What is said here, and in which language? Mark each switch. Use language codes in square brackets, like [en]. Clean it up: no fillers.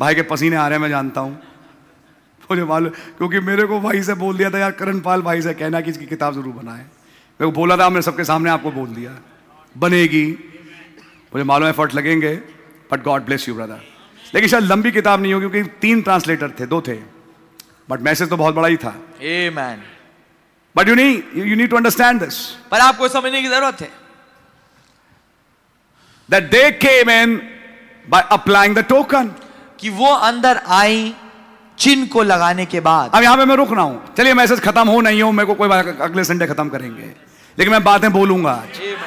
[hi] भाई के पसीने आ रहे हैं मैं जानता हूँ मुझे मालूम क्योंकि मेरे को भाई से बोल दिया था यार करण पाल भाई से कहना कि इसकी किताब जरूर बनाए. मेरे को बोला था मैंने सबके सामने आपको बोल दिया बनेगी. मुझे मालूम एफर्ट लगेंगे [en] But god bless you brother. [hi] लेकिन शायद लंबी किताब नहीं होगी क्योंकि तीन ट्रांसलेटर थे दो थे बट मैसेज तो बहुत बड़ा ही था. [en] Amen. But you need to understand this. [hi] पर आपको समझने की जरूरत है. [en] That they came in by applying the token. [hi] कि वो अंदर आई चिन्ह को लगाने के बाद. अब यहां पे मैं रुक रहा हूं. चलिए मैसेज खत्म हो नहीं हो मेरे को कोई बात अगले संडे खत्म करेंगे लेकिन मैं बातें बोलूंगा आज.